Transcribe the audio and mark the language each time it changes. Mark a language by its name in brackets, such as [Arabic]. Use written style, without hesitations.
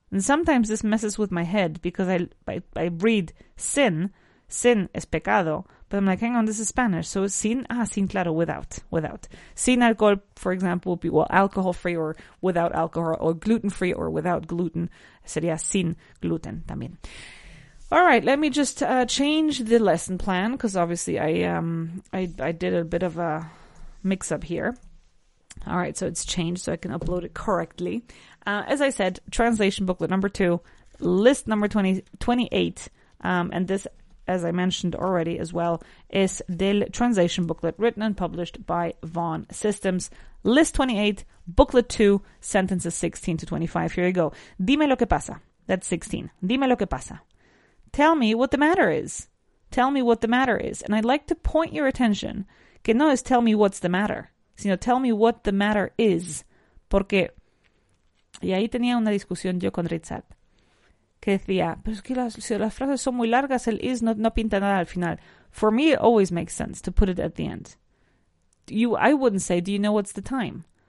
[English] And sometimes this messes with my head because I read sin. [Spanish] Sin es pecado, [English] but I'm like, hang on, this is Spanish. So sin, ah, sin, claro, without, without. Sin alcohol, for example, would be, well, alcohol-free or without alcohol, or gluten-free or without gluten. [Spanish] Sería sin gluten también. [English] All right, let me just change the lesson plan, because obviously I did a bit of a mix-up here. All right, so it's changed so I can upload it correctly. As I said, translation booklet number 2, list number 28, and this, as I mentioned already as well, is the translation booklet written and published by Vaughan Systems. List 28, booklet 2, sentences 16 to 25. Here you go. [Spanish] Dime lo que pasa. [English] That's 16. Dime lo que pasa. Tell me what the matter is. Tell me what the matter is. And I'd like to point your attention. [Spanish] Que no es [English] tell me what's the matter. [Spanish] Sino [English] tell me what the matter is. [Spanish] Porque, y ahí tenía una discusión yo con Ritzat. Que decía, pero es que las frases son muy largas, el is no pinta nada al final. [English] For me, it always makes sense to put it at the end. I wouldn't say, do you know what's the time?